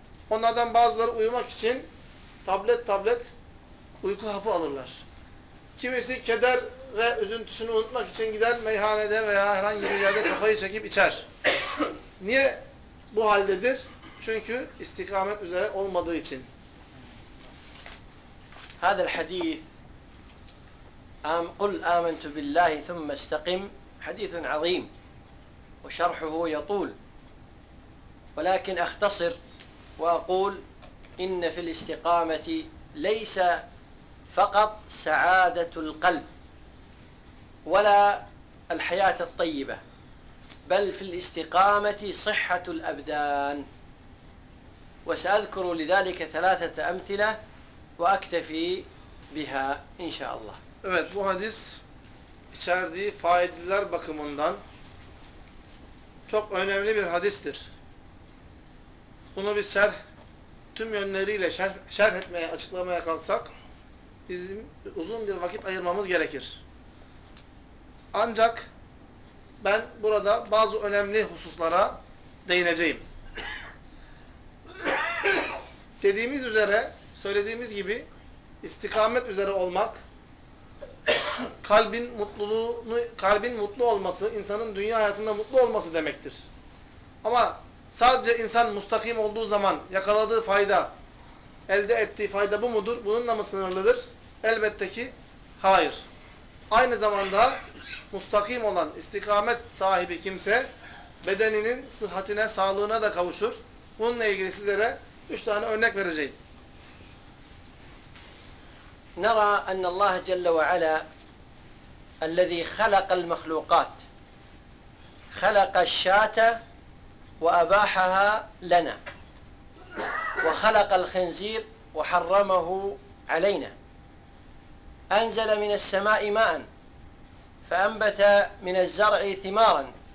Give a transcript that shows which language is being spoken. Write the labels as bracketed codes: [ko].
[tr] Onlardan bazıları uyumak için tablet uyku hapı alırlar. Kimisi keder ve üzüntüsünü unutmak için gider meyhanede veya herhangi bir yerde kafayı çekip içer. Niye bu haldedir? Çünkü istikamet üzere olmadığı için. [ar] هذا الحديث قل آمنت بالله ثم استقم حديث عظيم وشرحه يطول ولكن أختصر وأقول إن في الاستقامة ليس فقط سعادة القلب ولا الحياة الطيبة بل في الاستقامة صحة الأبدان وسأذكر لذلك ثلاثة أمثلة وأكتفي بها إن شاء الله. [tr] Evet, bu hadis içerdiği faydalar bakımından çok önemli bir hadistir. Bunu biz şerh, tüm yönleriyle şerh etmeye, açıklamaya kalksak bizim uzun bir vakit ayırmamız gerekir. Ancak ben burada bazı önemli hususlara değineceğim. Dediğimiz üzere, söylediğimiz gibi istikamet üzere olmak, kalbin mutlu olması, insanın dünya hayatında mutlu olması demektir. Ama sadece insan müstakim olduğu zaman yakaladığı fayda, elde ettiği fayda bu mudur? Bununla mı sınırlıdır? Elbette ki hayır. Aynı zamanda müstakim olan, istikamet sahibi kimse bedeninin sıhhatine, sağlığına da kavuşur. Bununla ilgili sizlere 3 tane örnek vereceğim. [ar] نرى أن الله جل وعلا الذي خلق المخلوقات خلق الشاة وأباحها لنا وخلق الخنزير وحرمه علينا أنزل من السماء ماء فأنبت من الزرع ثمارا